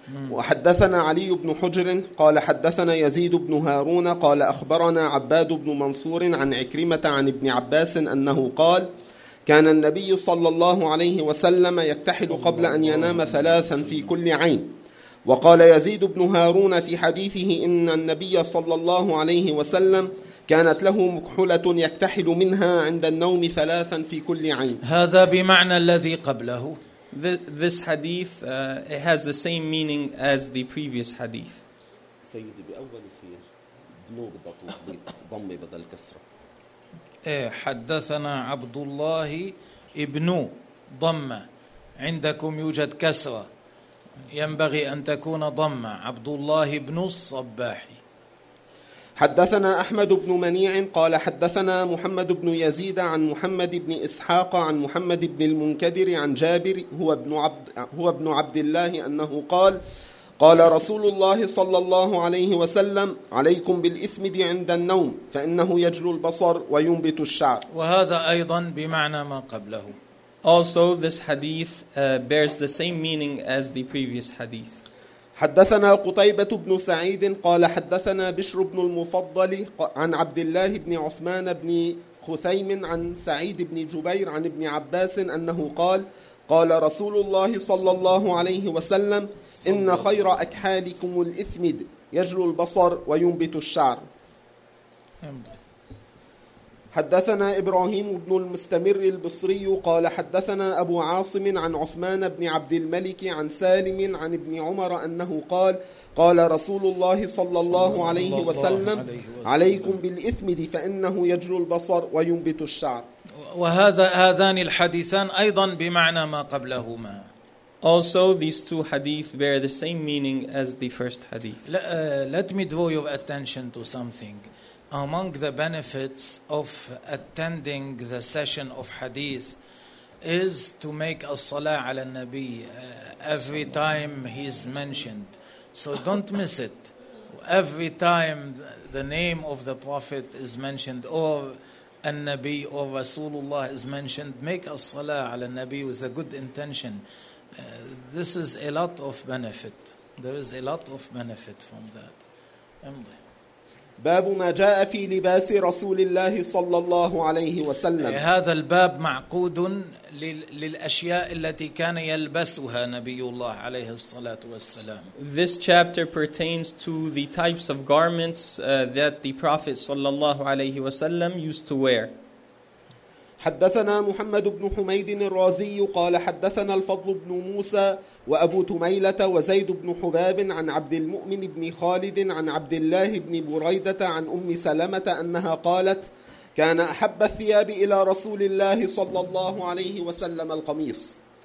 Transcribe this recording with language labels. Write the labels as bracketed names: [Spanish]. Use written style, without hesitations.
[Arabic] وحدثنا علي بن حجر قال حدثنا يزيد بن هارون قال أخبرنا عباد بن منصور عن عكرمة عن ابن عباس أنه قال كان النبي صلى الله عليه وسلم يكتحل قبل أن ينام ثلاثا في كل عين. وقال يزيد بن هارون في حديثه إن النبي صلى الله عليه وسلم كانت له مكحولة يكتحل منها عند النوم ثلاثا في كل عين. هذا بمعنى الذي قبله. [English] This hadith it has the same meaning as the previous hadith. [Arabic] سيدي بأول في جنوب الضطوط ضم بدل كسرة. حدثنا عبد الله ابن ضمة عندكم يوجد كسرة ينبغي أن تكون ضمة عبد الله ابن الصباح حدثنا أحمد بن منيع قال حدثنا محمد بن يزيد عن محمد بن إسحاق عن محمد بن المنكدر عن جابر هو ابن عبد الله أنه قال قال رسول الله صلى الله عليه وسلم عليكم بالإثمد عند النوم فإنه يجلو البصر وينبت الشعر. وهذا أيضا بمعنى ما قبله. [English] Also this hadith bears the same meaning as the previous hadith. [Arabic] حدثنا قتيبة بن سعيد قال حدثنا بشر بن المفضل عن عبد الله بن عثمان بن خثيم عن سعيد بن جبير عن ابن عباس أنه قال قال رسول الله صلى الله عليه وسلم إن خير أكحالكم الإثمد يجلو البصر وينبت الشعر حدثنا إبراهيم بن المستمر البصري قال حدثنا أبو عاصم عن عثمان بن عبد الملك عن سالم عن ابن عمر أنه قال قال رسول الله صلى الله عليه وسلم عليكم بالإثمد فإنه يجلو البصر وينبت الشعر وهذا هذان الحديثان أيضا بمعنى ما قبلهما. [English] Also these two hadith bear the same meaning as the first hadith. Let me draw your attention to something. Among the benefits of attending the session of hadith is to make a salah ala nabi every time he's mentioned. So don't miss it. Every time the name of the Prophet is mentioned or النبي or رسول الله is mentioned, make a salah [Arabic] على النبي [English] with a good intention. This is a lot of benefit. There is a lot of benefit from that. [Arabic] باب ما جاء في لباس رسول الله صلى الله عليه وسلم. هذا الباب معقود للأشياء التي كان يلبسها نبي الله عليه الصلاة والسلام. [English] This chapter pertains to the types of garments that the Prophet [Arabic] صلى الله عليه وسلم [English] used to wear. [Arabic] حدثنا محمد بن حميد الرازي قال حدثنا الفضل بن موسى وأبو تميلة وزيد بن حباب عن عبد المؤمن بن خالد عن عبد الله بن بريدة عن أم سلمة أنها قالت كان أحب الثياب إلى رسول الله صلى الله عليه وسلم القميص